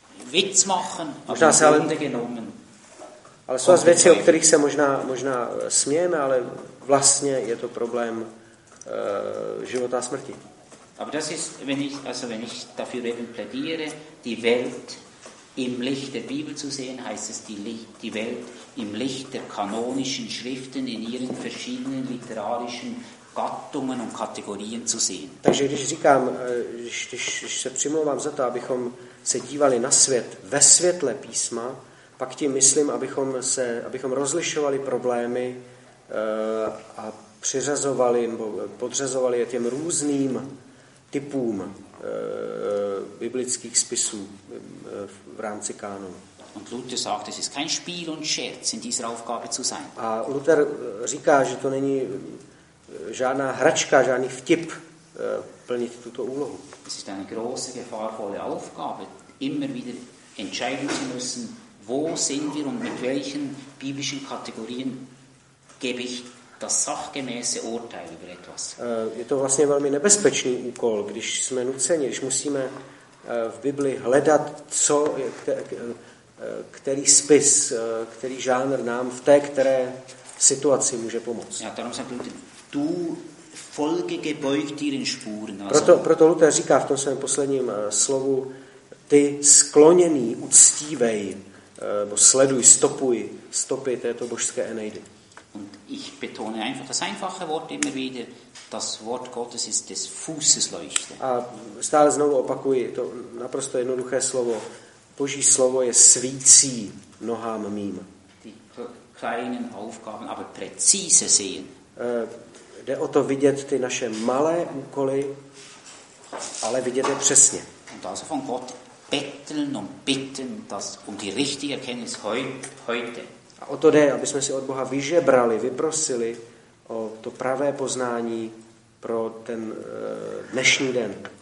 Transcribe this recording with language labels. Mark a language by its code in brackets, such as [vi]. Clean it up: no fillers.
[de] Witz machen, [cs] možná [de] aber im Grunde genommen. [cs] Ale jsou věci, o kterých se možná smějeme, ale vlastně je to problém života a smrti. [de] Aber das ist, wenn ich dafür eben plädiere, die Welt im Licht der Bibel zu sehen, heißt es die Welt im Licht der kanonischen Schriften in ihren verschiedenen literarischen Gattungen und Kategorien zu sehen. [cs] Takže když říkám, když se přimlouvám za to, abychom se dívali na svět ve světle písma, pak tím myslím, abychom rozlišovali problémy a přiřazovali nebo podřazovali je těm různým typům biblických spisů v rámci kánonu. [de] Und Luther sagt, es ist kein Spiel und Scherz in dieser Aufgabe zu sein. [cs] A Luther říká, že to není žádná hračka, žádný vtip plnit tuto úlohu. [de] Es ist eine große, gefahrvolle Aufgabe, immer wieder entscheiden zu müssen, wo sind wir und mit welchen biblischen Kategorien gebe ich das sachgemäße Urteil über etwas. [cs] Je to vlastně velmi nebezpečný úkol, když jsme nuceni, když musíme v Bibli hledat, co je, který spis, který žánr nám v té které situaci může pomoct. [de] Ja, darum sagt Luther, du folge gebeugt ihren Spuren. [cs] Proto Luther říká v tom svém posledním slovu, ty skloněný uctívej, nebo sleduj, stopuj, stopy této božské Eneidy. [de] Und ich betone einfach das einfache Wort immer wieder, das Wort Gottes ist des Fußes Leuchte. [cs] A stále znovu opakuji, to naprosto jednoduché slovo, Boží slovo je svící nohám mým. [de] Die kleinen Aufgaben, aber präzise sehen. [cs] Jde o to vidět ty naše malé úkoly, ale vidět je přesně. [de] Und also von Gott betteln und bitten, dass um die richtige Erkenntnis heute. [cs] A o to jde, aby jsme si od Boha vyžebrali, vyprosili o to pravé poznání pro ten dnešní den.